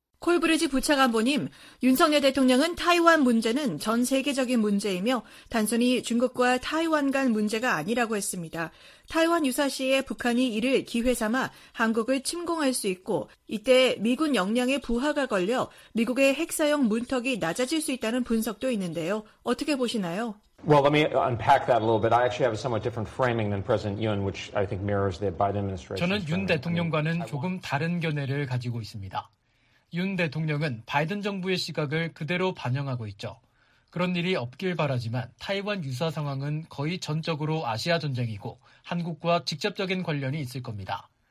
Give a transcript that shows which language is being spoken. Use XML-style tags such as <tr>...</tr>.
<ko>콜브리지 부차관보님, 윤석열 대통령은 타이완 문제는 전 세계적인 문제이며 단순히 중국과 타이완 간 문제가 아니라고 했습니다. 타이완 유사시에 북한이 이를 기회 삼아 한국을 침공할 수 있고 이때 미군 역량의 부하가 걸려 미국의 핵사용 문턱이 낮아질 수 있다는 분석도 있는데요. 어떻게 보시나요?</ko> <en>Well, let me unpack that a little bit. I actually have a somewhat different framing than President Yoon, which I think mirrors the Biden administration.</en> <ko>저는 윤 대통령과는 조금 다른 견해를 가지고 있습니다. 윤 대통령은 바이든 정부의 시각을 그대로 반영하고 있죠. 그런 일이 없길 바라지만 타이완 유사 상황은 거의 전적으로 아시아 전쟁이고 한국과 직접적인 관련이 있을 겁니다.</ko>